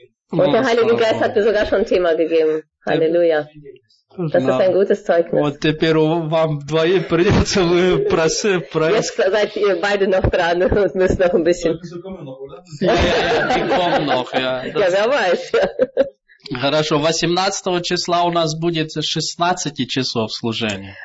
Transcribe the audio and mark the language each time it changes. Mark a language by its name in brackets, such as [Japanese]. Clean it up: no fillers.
[German] Und der Heilige Geist hat dir sogar schon ein Thema gegeben. Halleluja. Das ist ein gutes Zeugnis. [Russian] Вот теперь вам двое придется вы просыпать. [German] Jetzt seid ihr beide noch dran und müsst noch ein bisschen. Ja, wer weiß. [Russian] Хорошо, 18 числа у нас будет 16 часов служения.